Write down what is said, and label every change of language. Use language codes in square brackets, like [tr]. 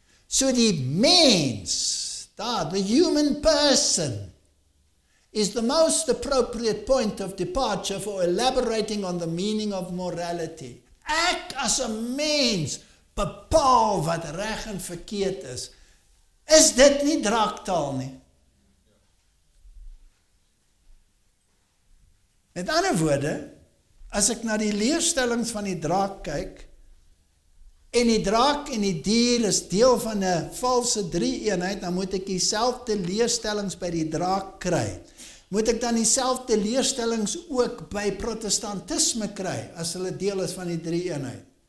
[af] So die mens, [en] the human person, is the most appropriate point of departure for elaborating on the meaning of morality. [af] Ek as 'n mens bepaal wat reg en verkeerd is. Is dit nie draaktaal nie? Met ander woorde, as ek na die leerstellings van die draak kyk, en die draak en die dier is deel van 'n valse drie-eenheid, dan moet ek dieselfde leerstellings by die draak kry. Moet ek dan dieselfde leerstellings ook by protestantisme kry, as hulle deel is van die drie-eenheid?